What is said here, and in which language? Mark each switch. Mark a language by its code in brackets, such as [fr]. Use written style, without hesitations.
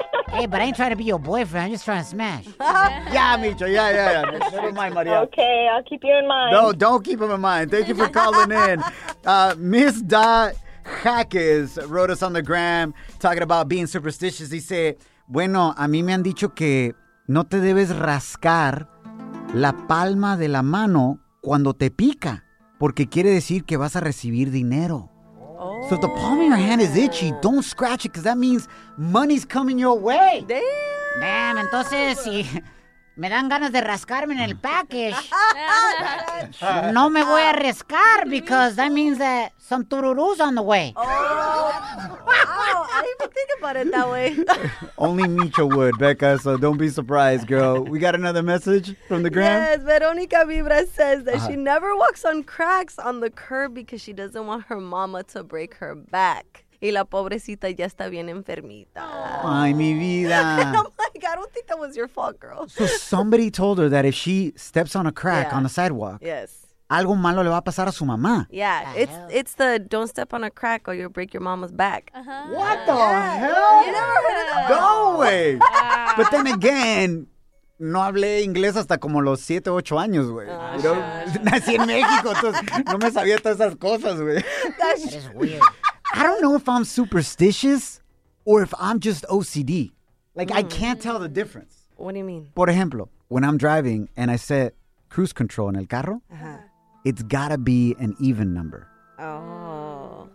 [en] Hey, but I ain't trying to be your boyfriend. I'm just trying to smash. Yeah, Micho. Yeah. Never mind, Maria. Okay, I'll keep you in mind. No, don't keep him in mind. Thank you for calling in. Miss Dot Jaques wrote us on the gram talking about being superstitious. He said, [es] bueno, a mí me han dicho que no te debes rascar la palma de la mano cuando te pica, porque quiere decir que vas a recibir dinero. [en] So if the palm of your hand is itchy, don't scratch it, because that means money's coming your way. Damn, [es] entonces, si me dan ganas de rascarme en el package, no me voy a rascar, [en] because that means that some tururus on the way. Oh, I didn't even think about it that way. Only Micho would, Becca, so don't be surprised, girl. We got another message from the gram. Yes, Veronica Vibra says that she never walks on cracks on the curb because she doesn't want her mama to break her back. [es] Y la pobrecita ya está bien enfermita. Ay, mi vida. [en] Oh, my God. I don't think that was your fault, girl. So somebody told her that if she steps on a crack on the sidewalk, [es] algo malo le va a pasar a su mamá. [en] Yeah, it's the don't step on a crack or you'll break your mama's back. Uh-huh. What the hell? You never heard of that one. Go away. But then again, [es] no hablé inglés hasta como los 7 o 8 años, güey. Nací en México, entonces no me sabía todas esas cosas, güey. [en] That's weird. I don't know if I'm superstitious or if I'm just OCD. Like, I can't tell the difference. What do you mean? [es] Por ejemplo, [en] when I'm driving and I set cruise control in [es] el carro, [en] it's gotta be an even number. Oh.